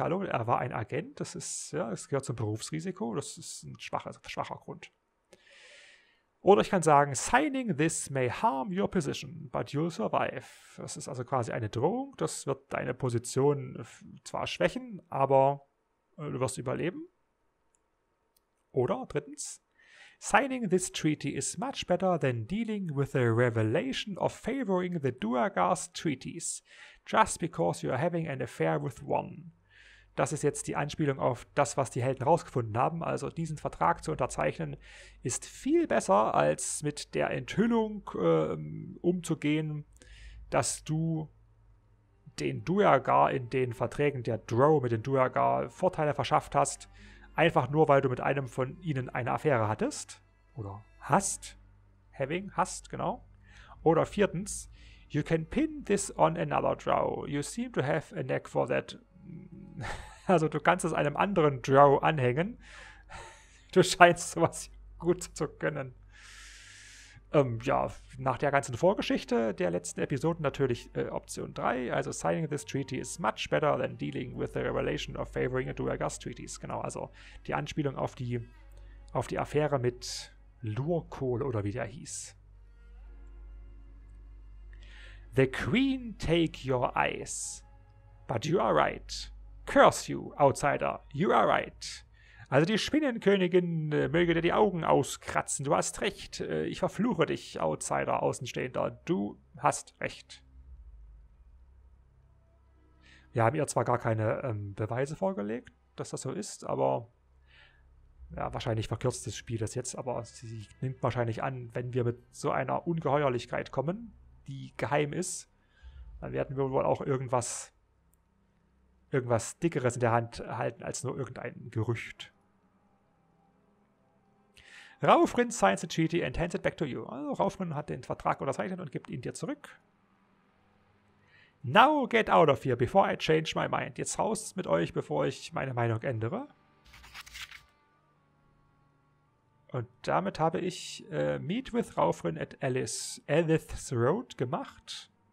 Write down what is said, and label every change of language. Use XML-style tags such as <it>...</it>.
<de>Hallo, er war ein Agent. Das ist, ja, es gehört zum Berufsrisiko. Das ist ein schwacher Grund. Oder ich kann sagen,</de> <en>signing this may harm your position, but you'll survive.</en> <de>Das ist also quasi eine Drohung. Das wird deine Position zwar schwächen, aber du wirst überleben. Oder drittens,</de> <en>signing this treaty is much better than dealing with the revelation of favoring the Duergar's treaties, just because you're having an affair with one.</en> <de>Das ist jetzt die Anspielung auf das, was die Helden rausgefunden haben. Also diesen Vertrag zu unterzeichnen ist viel besser, als mit der Enthüllung umzugehen, dass du den Duergar in den Verträgen der Drow mit den Duergar Vorteile verschafft hast, einfach nur, weil du mit einem von ihnen eine Affäre hattest. Oder hast.</de> <en>Having,</en> <de>hast, genau. Oder viertens,</de> <en>you can pin this on another Drow. You seem to have a knack for that.</en> <de>Also du kannst es einem anderen Drow anhängen. Du scheinst sowas gut zu können. Ja, nach der ganzen Vorgeschichte der letzten Episoden natürlich Option 3.</de> <en>Also signing this treaty is much better than dealing with the revelation of favoring a Duergar's treaties.</en> <de>Genau, also die Anspielung auf die Affäre mit Lurkohl oder wie der hieß.</de> <en>The queen take your eyes. But you are right. Curse you, outsider. You are right.</en> <de>Also die Spinnenkönigin möge dir die Augen auskratzen. Du hast recht. Ich verfluche dich, Outsider, Außenstehender. Du hast recht. Wir haben ihr zwar gar keine Beweise vorgelegt, dass das so ist, aber ja, wahrscheinlich verkürzt das Spiel das jetzt, aber sie nimmt wahrscheinlich an, wenn wir mit so einer Ungeheuerlichkeit kommen, die geheim ist, dann werden wir wohl auch irgendwas Dickeres in der Hand halten als nur irgendein Gerücht.</de> <en>Raufrin signs the treaty and hands it back to you.</en> <de>Also Raufrin hat den Vertrag unterzeichnet und gibt ihn dir zurück.</de> <en>Now get out of here before I change my mind.</en> <de>Jetzt raus mit euch, bevor ich meine Meinung ändere. Und damit habe ich Meet with Raufrin at Elith's Road gemacht.</de>